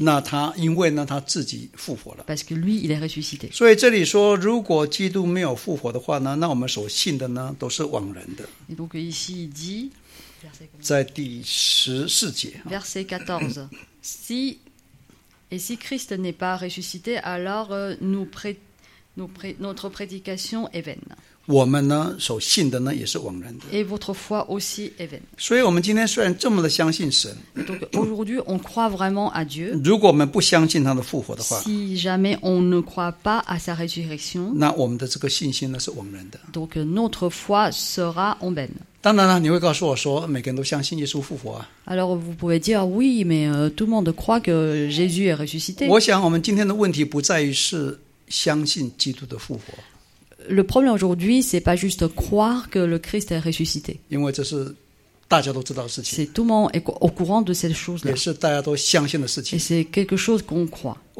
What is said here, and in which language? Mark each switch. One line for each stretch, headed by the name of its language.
Chinese: 那他因为呢他自己复活了。
French: Parce que lui, il est ressuscité.
Chinese: 所以这里说，如果基督没有复活的话呢，那我们所信的呢都是枉然的。
French: Et donc ici il dit,
Chinese: 在第十四节。
French: Verset 14. Si et si Christ n'est pas ressuscité, alors notre prédication est vaine.
Chinese: 我们呢所信的呢也是枉然的。
French: Et votre foi aussi est vaine.
Chinese: 所以我们今天虽然这么的相信神。
French: Donc aujourd'hui on croit vraiment à Dieu.
Chinese: 如果我们不相信他的复活的话。
French: Si jamais on ne croit pas à sa résurrection.
Chinese: 那我们的这个信心呢是枉然的。
French: Donc notre foi sera en vaine.
Chinese: 当然了你会告诉我说每个人都相信耶稣复活啊。
French: Alors vous pouvez dire oui, mais tout le monde croit que Jésus est ressuscité.
Chinese: 我想我们今天的问题不在于是相信基督的复活。
French: Le problème aujourd'hui, ce n'est pas juste croire que le Christ est ressuscité. C'est tout le monde est au courant de cette chose-là. Et c'est quelque chose qu'on croit.